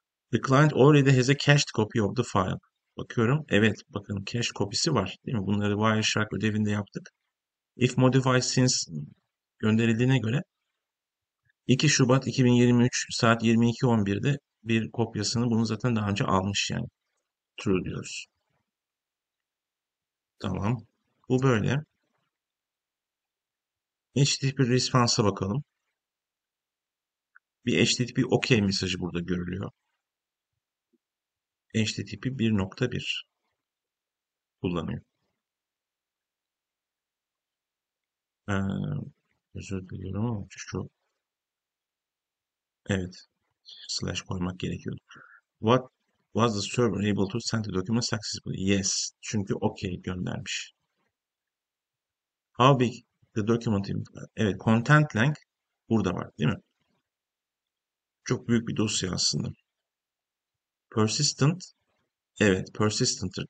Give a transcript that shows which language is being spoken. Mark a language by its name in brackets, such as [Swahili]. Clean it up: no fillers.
[English] The client already has a cached copy of the file. [Turkish] Bakıyorum. Evet. Bakın cache kopyası var. Değil mi? Bunları Wireshark ödevinde yaptık. If modified since gönderildiğine göre 2 Şubat 2023 saat 22:11'de bir kopyasını bunu zaten daha önce almış yani. True diyoruz. Tamam. Bu böyle. HTTP response'a bakalım. Bir HTTP OK mesajı burada görülüyor. HTTP 1.1 kullanıyor. Özür diliyorum ama şu evet slash koymak gerekiyordu. [English] What was the server able to send the document successfully? Yes. [Turkish] Çünkü okay göndermiş. [English] How big the document is? Evet. [Turkish] Content length burada var değil mi? Çok büyük bir dosya aslında. Persistent. Evet. Persistent'tır.